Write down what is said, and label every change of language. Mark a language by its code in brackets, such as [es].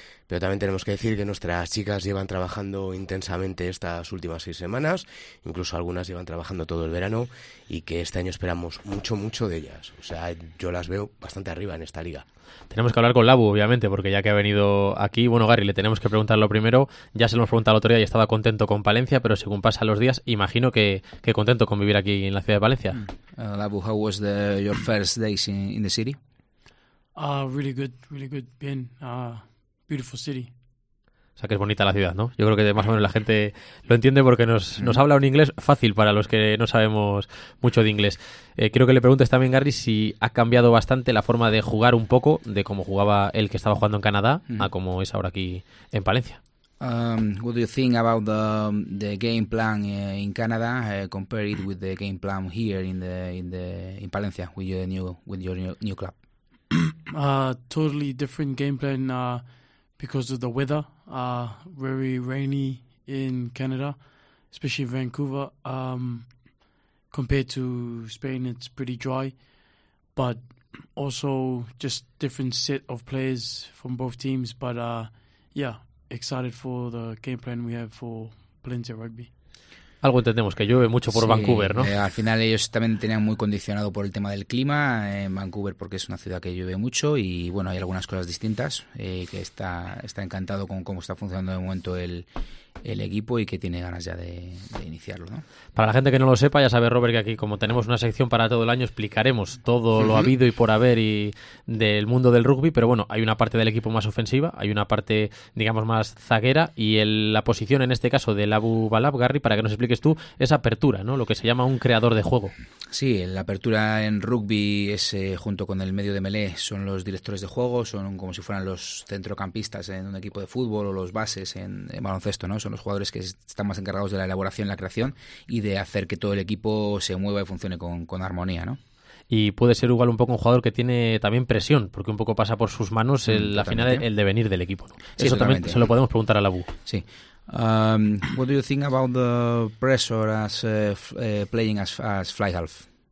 [es] Pero también tenemos que decir que nuestras chicas llevan trabajando intensamente estas últimas 6 semanas, incluso algunas llevan trabajando todo el verano, y que este año esperamos mucho, mucho de ellas. O sea, yo las veo bastante arriba en esta liga. Tenemos que hablar con Labu, obviamente, porque ya que ha venido aquí, bueno, Gary, le tenemos que preguntar lo primero. Ya se lo hemos preguntado el otro día y estaba contento con Palencia, pero según pasan los días, imagino que contento con vivir aquí en la ciudad de Palencia. [en] Labu, how was your first days in the city? Really good, bien. Beautiful city. [es] O sea, que es bonita la ciudad, ¿no? Yo creo que más o menos la gente lo entiende porque nos habla un inglés fácil para los que no sabemos mucho de inglés. Quiero que le preguntes también, Gary, si ha cambiado bastante la forma de jugar un poco de cómo jugaba el que estaba jugando en Canadá a cómo es ahora aquí en Palencia. [en] What do you think about the game plan in Canada compared with the game plan here in Palencia with your new club? Totally different game plan because of the weather. Very rainy in Canada, especially in Vancouver. Compared to Spain, it's pretty dry. But also just different set of players from both teams. But yeah, excited for the game plan we have for Palencia Rugby. [es] Algo entendemos, que llueve mucho por sí, Vancouver, ¿no? Al final ellos también tenían muy condicionado por el tema del clima en Vancouver, porque es una ciudad que llueve mucho y, bueno, hay algunas cosas distintas, que está encantado con cómo está funcionando de momento el equipo y que tiene ganas ya de iniciarlo, ¿no? Para la gente que no lo sepa, ya sabe Robert que aquí, como tenemos una sección para todo el año, explicaremos todo lo habido y por haber y del mundo del rugby, pero bueno, hay una parte del equipo más ofensiva, hay una parte, digamos, más zaguera, y la posición en este caso de Labu Balab, Gary, para que nos expliques tú, es apertura, ¿no? Lo que se llama un creador de juego. Sí, la apertura en rugby es, junto con el medio de melee, son los directores de juego, son como si fueran los centrocampistas en un equipo de fútbol o los bases en baloncesto, ¿no? Son los jugadores que están más encargados de la elaboración, la creación y de hacer que todo el equipo se mueva y funcione con armonía, ¿no? Y puede ser igual un poco un jugador que tiene también presión, porque un poco pasa por sus manos al final el devenir del equipo, ¿no? Sí, eso también se lo podemos preguntar a la Bu. Sí. [en] What do you think about the pressure as playing as fly half?